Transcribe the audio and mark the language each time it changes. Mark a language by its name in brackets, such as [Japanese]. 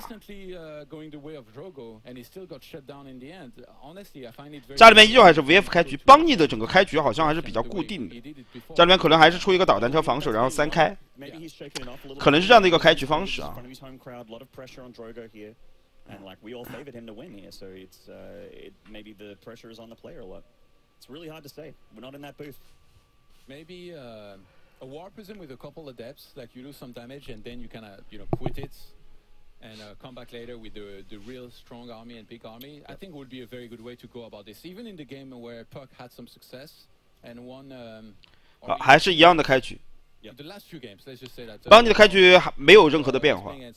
[English] Recently, going the way of Drago, and he still got shut down in the end. Honestly, I find it very. [Chinese] 家里面依旧还是 VF 开局，邦尼的整个开局好像还是比较固定的。家里面可能还是出一个导弹车防守，然后三开。 [English] Maybe he's shaking it off a little. [Chinese] 可能是这样的一个开局方式啊。 [English] In front of his home crowd, a lot of pressure on Drago here. And like we all favored him to win here, so it's it, maybe the pressure is on the player a lot. It's really hard to say. We're not in that booth. Maybe a war prism with a couple of adepts, like you lose some damage and then you kind of you know quit it, and come back later with the real strong army and big army. Yep. I think would be a very good way to go about this. Even in the game where Puck had some success and won. [Chinese] 还是一样的开局。 [English] Yep. The last few games, let's just say that. [Chinese] 帮你的开局没有任何的变化。